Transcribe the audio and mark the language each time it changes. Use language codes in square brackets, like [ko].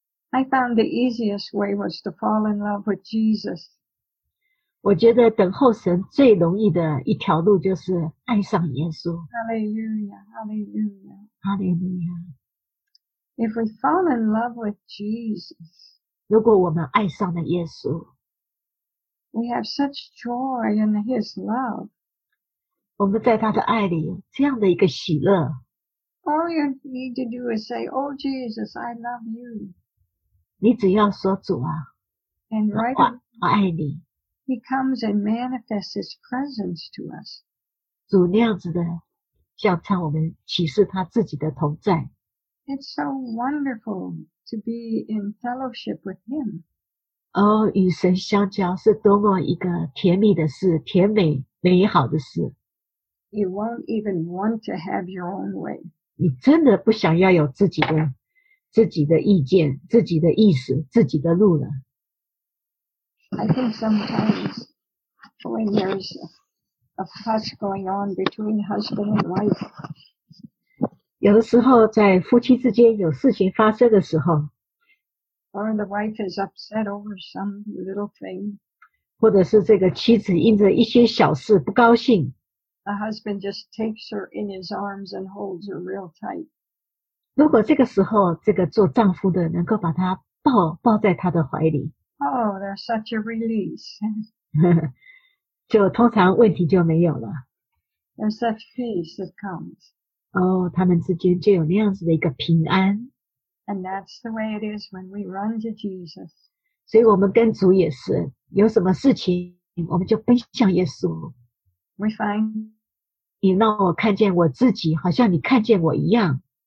[en] I found the easiest way was to fall in love with Jesus. [zh] 我觉得等候神最容易的一条路就是爱上耶稣。 [en] Hallelujah, hallelujah. Hallelujah. If we fall in love with Jesus, [zh] 如果我们爱上了耶稣, [en] we have such joy in his love. [zh] 我们在他的爱里有这样的一个喜乐。 [en] All you need to do is say, Oh Jesus, I love you. [zh] 你只要说主啊, [en] and right away, [zh] 我爱你。 [en] He comes and manifests his presence to us. [zh] 主那样子的向我们启示他自己的同在。 [en] It's so wonderful to be in fellowship with him. [zh] 与神相交是多么一个甜蜜的事，甜美美好的事。 [en] You won't even want to have your own way. [zh] 你真的不想要有自己的意见，自己的意思，自己的路了。 [en] I think sometimes when there's a fuss going on between husband and wife, [zh] 有的时候在夫妻之间有事情发生的时候， [en] or the wife is upset over some little thing, [zh] 或者是这个妻子因着一些小事不高兴。 [en] The husband just takes her in his arms and holds her real tight. [zh] 如果这个时候这个做丈夫的能够把她抱在她的怀里。 [en] Oh, there's such a release. [zh] 就通常问题就没有了。 [en] There's such peace that comes. [zh] 他们之间就有那样子的一个平安。 [en] And that's the way it is when we run to Jesus. [zh] 所以我们跟主也是有什么事情我们就奔向耶稣。 [en] We find [zh] 你让我看见我自己好像你看见我一样。